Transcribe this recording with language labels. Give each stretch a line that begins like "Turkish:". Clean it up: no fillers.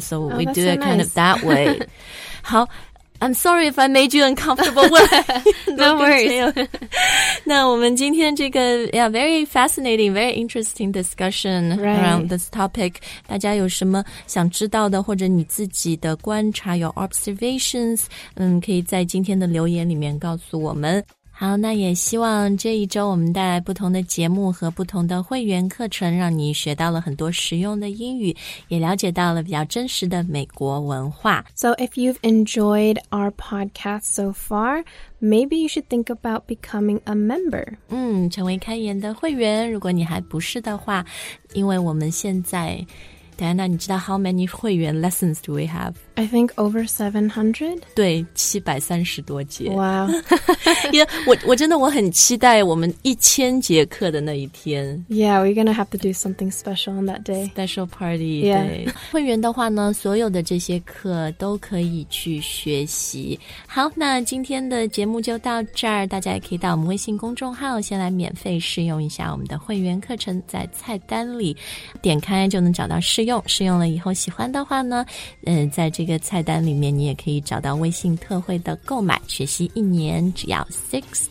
English: So we、 oh, do it、 so、 kind、 nice. of that way. 好 ，I'm sorry if I made you uncomfortable. No worries.
Chinese: 那我们今天这个
English: yeah very fascinating, very interesting discussion、 right. around this topic.
Chinese: 大家有什么想知道的，或者你自己的观察
English: your observations,
Chinese: 可以在今天的留言里面告诉我们。好，那也希望这一周我们带来不同的节目和不同的会员课程，让你学到了很多实用的英语，也了解到了比较真实的美国文化。
English: So if you've enjoyed our podcast so far, maybe you should think about becoming a member.
Chinese: 成为开言的会员，如果你还不是的话，因为我们现在Diana, 你知道
English: how many
Chinese: 会员
English: lessons do we have? I think over 700.
Chinese: 对，730多节。
English: Wow.
Chinese: Yeah, 我真的我很期待我们1000节课的那一天。
English: Yeah, we're going to have to do something special on that day. Special party, yeah.
Chinese: 对。会员的话呢，所有的这些课都可以去学习。好，那今天的节目就到这儿，大家也可以到我们微信公众号先来免费试用一下我们的会员课程，在菜单里点开就能找到试用了以后喜欢的话呢，在这个菜单里面你也可以找到微信特惠的购买，学习一年只要629。